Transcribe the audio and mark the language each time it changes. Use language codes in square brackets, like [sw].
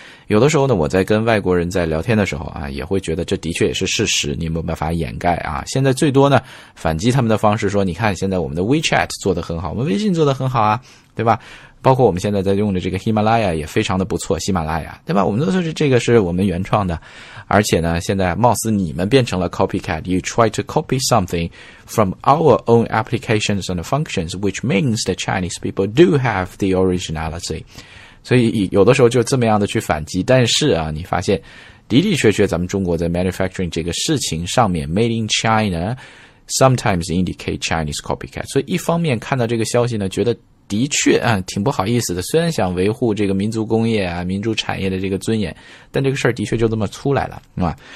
[zh] 有的时候呢我在跟外国人在聊天的时候啊，也会觉得这的确也是事实，你没办法掩盖啊。现在最多呢反击他们的方式说，你看现在我们的 WeChat 做得很好，我们微信做得很好啊，对吧？包括我们现在在用的这个喜马拉雅也非常的不错，喜马拉雅，对吧？我们都说是这个是我们原创的，而且呢，现在貌似你们变成了 copycat， [en] you try to copy something from our own applications and functions， which means the Chinese people do have the originality。 [zh] 所以有的时候就这么样的去反击，但是啊，你发现的的确确咱们中国在 manufacturing 这个事情上面 [en] made in China sometimes indicate Chinese copycat， [zh] 所以一方面看到这个消息呢，觉得的确啊，挺不好意思的，虽然想维护这个民族工业啊，民族产业的这个尊严，但这个事儿的确就这么出来了，是吧？